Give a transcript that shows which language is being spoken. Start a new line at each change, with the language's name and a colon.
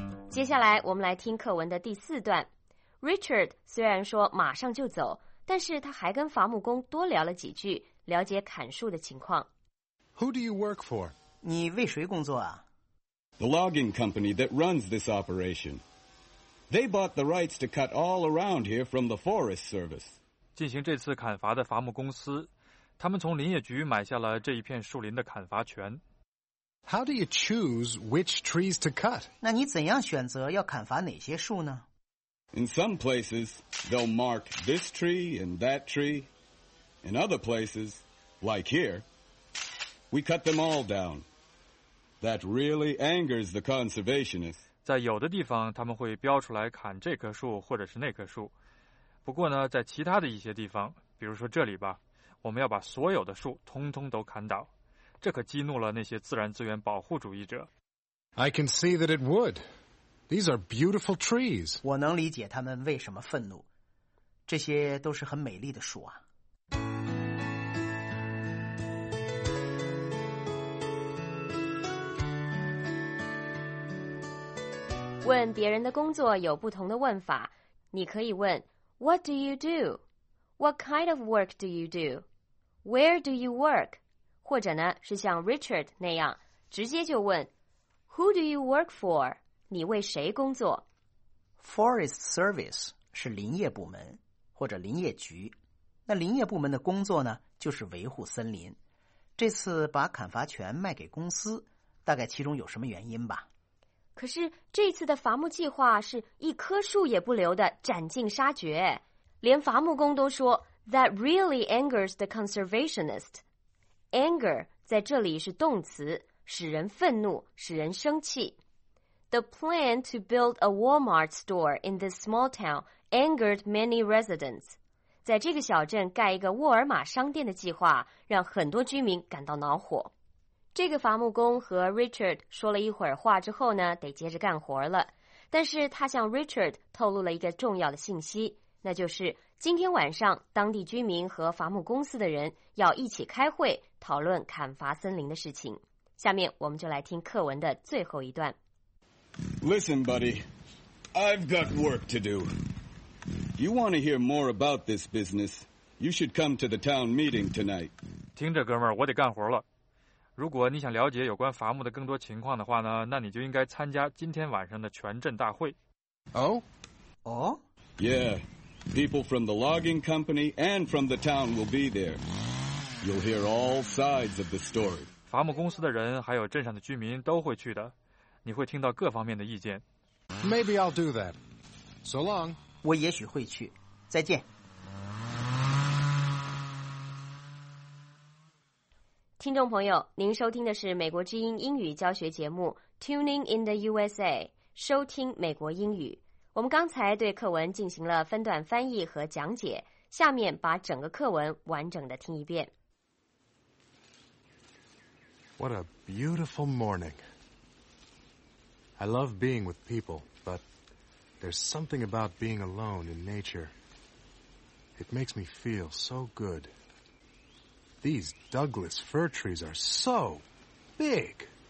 Chinese: 接下来我们来听课文的第四段。Richard 虽然说马上就走，但是他还跟伐木工多聊了几句，了解砍树的情况。
English: Who do you work for?
Chinese: 你为谁工作啊？
English: The logging company that runs this operation. They bought the rights to cut all around here from the Forest Service.
Chinese: 进行这次砍伐的伐木公司，他们从林业局买下了这一片树林的砍伐权。
English: How do you choose which trees to cut?
Chinese: 那你怎样选择要砍伐哪些树呢？
English: In some places, they'll mark this tree and that tree. In other places, like here, we cut them all down. That really angers the conservationists.
Chinese: 在有的地方，他们会标出来砍这棵树或者是那棵树。不过呢，在其他的一些地方，比如说这里吧，我们要把所有的树通通都砍倒。这可激怒了那些自然资源保护主义者。
English: I can see that it would. These are beautiful trees.
Chinese: 我能理解他们为什么愤怒。这些都是很美丽的树啊。问别人的工作有不同的问法，你可以问
English: What do you do? What kind of work do you do? Where do you work?
Chinese: 或者呢，是像 Richard 那样，直接就问
English: Who do you work for?
Chinese: 你为谁工作？ Forest Service 是林业部门或者林业局。那林业部门的工作呢，就是维护森林。这次把砍伐权卖给公司，大概其中有什么原因吧。可是这次的伐木计划是一棵树也不留的斩尽杀绝，连伐木工都说
English: That really angers the conservationist.
Chinese: Anger 在这里是动词，使人愤怒，使人生气。
English: The plan to build a Walmart store in this small town angered many residents.
Chinese: 在这个小镇盖一个沃尔玛商店的计划让很多居民感到恼火。这个伐木工和 Richard 说了一会儿话之后呢，得接着干活了。但是他向 Richard 透露了一个重要的信息，那就是今天晚上当地居民和伐木公司的人要一起开会讨论砍伐森林的事情。下面我们就来听课文的最后一段。
English: Listen, buddy, I've got work to do. You want to hear more about this business, you should come to the town meeting tonight.
Chinese: 听着，哥们儿，我得干活了。如果你想了解有关伐木的更多情况的话呢，那你就应该参加今天晚上的全镇大会。
English: Oh? Oh? Yeah, people from the logging company and from the town will be there. You'll hear all sides of the story.
Chinese: 伐木公司的人还有镇上的居民都会去的。你会听到各方面的意见。
English: Maybe I'll do that. So long.
Chinese: 我也许会去。再见。听众朋友，您收听的是美国之音英语教学节目 Tuning in the USA， 收听美国英语。我们刚才对课文进行了分段翻译和讲解，下面把整个课文完整的听一遍。
English: What a beautiful morning. I love being with people, but there's something about being alone in nature. It makes me feel so good. These Douglas fir trees are so big.